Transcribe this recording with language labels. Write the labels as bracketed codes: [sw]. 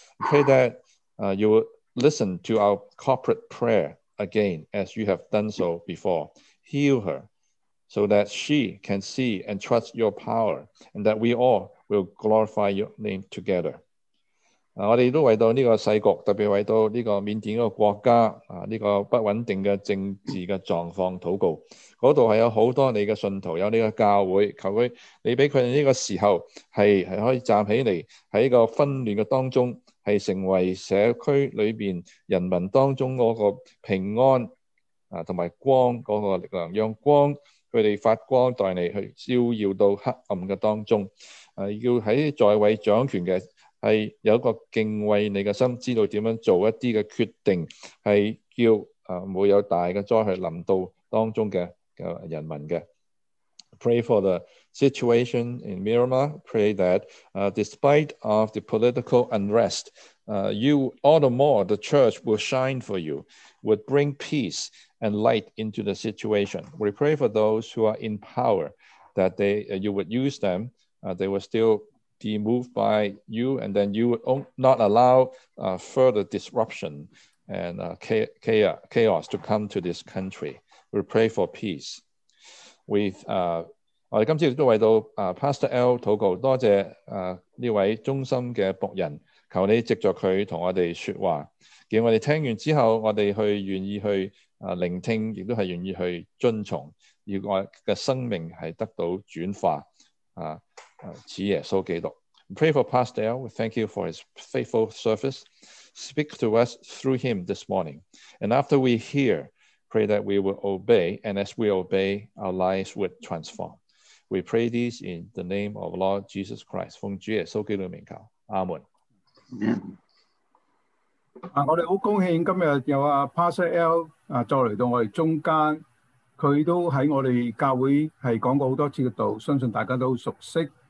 [en] Pray that you will listen to our corporate prayer. Again, as you have done so before, heal her so that she can see and trust your power and that we all will glorify your name together. [zh] 我们都为到这个世局，特别为到这个缅甸的国家，这个不稳定的政治的状况祷告。那里是有很多你的信徒，有你的教会，求他，你给他们这个时候 是可以站起来，在一个纷乱的当中是成为社区里面人民当中那个平安和光那个力量，让光他们发光，带你去照耀到黑暗的当中。要在在位掌权的是有一个敬畏你的心，知道怎样做一些的决定，是叫不会有大的灾害临到当中 的人民的。 [en] Pray for the situation in Myanmar. Pray that despite of the political unrest, you all the more the church will shine for you, would bring peace and light into the situation. We pray for those who are in power, that they, you would use them, they will still be moved by you, and then you would not allow further disruption and chaos to come to this country. We pray for peace. [zh] With, 我们今次都为到Pastor L 祷告，多谢这位忠心的仆人，求你藉着他跟我们说话，叫我们听完之后，我们去愿意去聆听，也都是愿意去遵从，要我的生命是得到转化，此耶稣基督。 [en] Pray for Pastor L, we thank you for his faithful service. Speak to us through him this morning. And after we hear,Pray that we will obey, and as we obey, our lives would transform. We pray this in the name of Lord Jesus Christ. [zh] 奉主耶稣基督的名求，阿门。我们很高兴今天有Pastor L 再来到我们中间，他都在我们教会是讲过很多次的道，相信大家都熟悉。